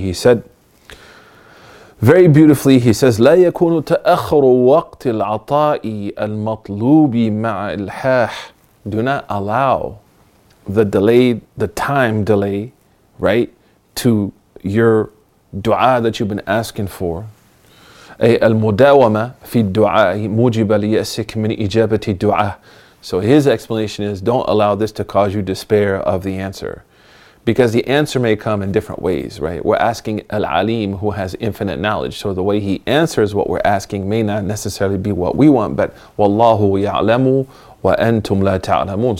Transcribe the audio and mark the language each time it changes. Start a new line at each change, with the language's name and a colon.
English: He said very beautifully, he says,
Arabic: لا يكون تأخر وقت العطاء المطلوب مع إلحاح.
English: Do not allow the time delay, right, to your dua that you've been asking for.
Arabic: المداومه في الدعاء موجب ليأسك من إجابة الدعاء.
English: So his explanation is, don't allow this to cause you despair of the answer, because the answer may come in different ways, right? We're asking Al-Alim, who has infinite knowledge, so the way he answers what we're asking may not necessarily be what we want, but
Arabic: والله يعلم وأنتم لا تعلمون.